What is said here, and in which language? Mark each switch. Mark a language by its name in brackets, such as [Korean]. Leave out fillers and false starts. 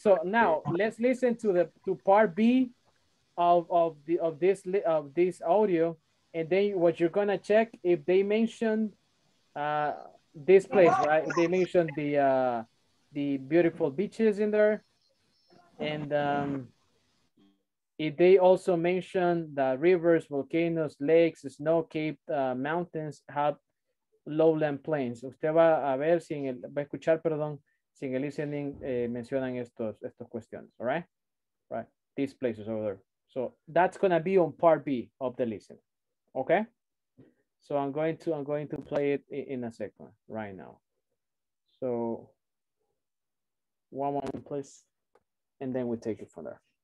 [English] So now let's listen to the part B of this audio, and then what you're gonna check if they mentioned this place, right? They mentioned the beautiful beaches in there, and if they also mention the rivers, volcanoes, lakes, snow-capped mountains, have lowland plains. [Spanish] Usted va a ver si en el, va a escuchar, perdón, si en el listening mencionan estos cuestiones, all right? [English] Right, these places over there. So that's gonna be on part B of the listen, okay? So I'm going to play it in a second right now. So one moment, please, and then we'll take it from there.